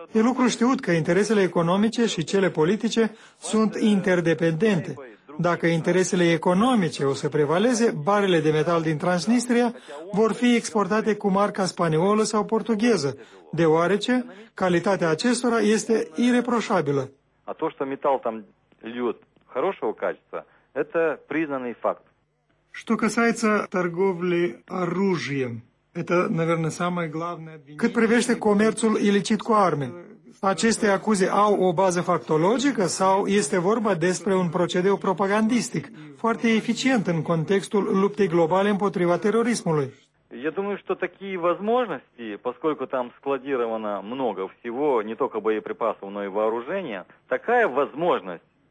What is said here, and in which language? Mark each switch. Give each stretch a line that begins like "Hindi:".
Romanian: E lucru știut că interesele economice și cele politice sunt interdependente. Dacă interesele economice o să prevaleze, barele de metal din Transnistria vor fi exportate cu marca spaniolă sau portugheză, deoarece calitatea acestora este ireproșabilă.
Russian: А то, что металл там льёт хорошего качества, это признанный факт. Что касается торговли оружием, это, наверное, самое главное обвинение.
Romanian: Cât privește comerțul ilicit cu arme, aceste acuze au o bază factologică sau este vorba despre un procedeu propagandistic, foarte eficient în contextul luptei globale împotriva terorismului? Я думаю, что такие возможности, поскольку там складировано много всего, не только боеприпасов, но и вооружения, такая возможность